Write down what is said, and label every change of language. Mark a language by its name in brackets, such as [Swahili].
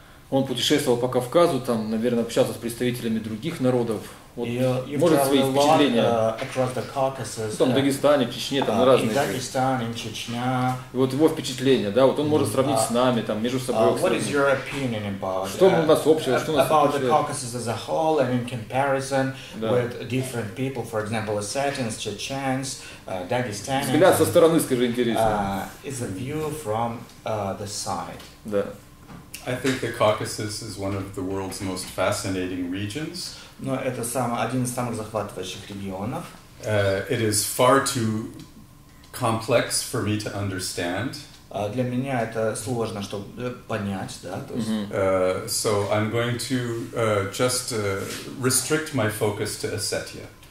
[Russian] Он путешествовал по Кавказу, там, наверное, общался с представителями других народов. Вот, может, свои впечатления. Там, в Дагестане, в Чечне, там, разные. Дагестан, в Чечне. Вот его впечатления, да, вот он может сравнить с нами, там, между собой. [English] What is your opinion about? [Russian] Что у нас общего, что у нас [English] about the Caucasus as a whole and in comparison with different people, for example, Assyrians, Chechens, Dagestanians. [Russian] Взгляд со стороны, скажи, интересно. [English] Is a view from the side. [Russian] Да. [English] I think the Caucasus is one of the world's most fascinating regions. [Russian] Но это один из самых захватывающих регионов. [English] It is far too complex for me to understand. [Russian] Для меня это сложно, чтобы понять, да. То есть... mm-hmm. [English] So I'm going to just restrict my focus to Ossetia.